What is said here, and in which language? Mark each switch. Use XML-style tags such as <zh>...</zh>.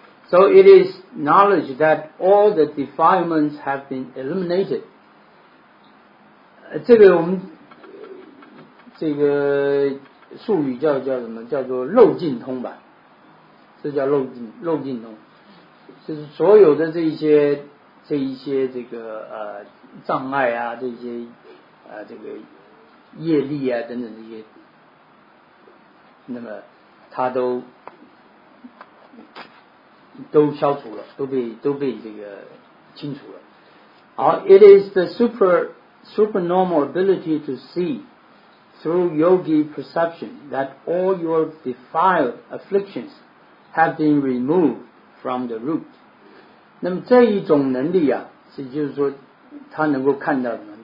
<en>So it is knowledge that all the defilements have been eliminated。</en> <zh>这个我们这个术语叫什么？叫做漏尽通吧，这叫漏尽通。就是所有的这一些这个障碍啊，这些这个业力啊等等这些，那么它都消除了，都被这个清除了。好 ，</zh> <en>It is the supernormal ability to see through yogi perception that all your defiled afflictions have been removed from the root.</en> <zh>那么这一种能力啊，是就是说他能够看到什么？</zh>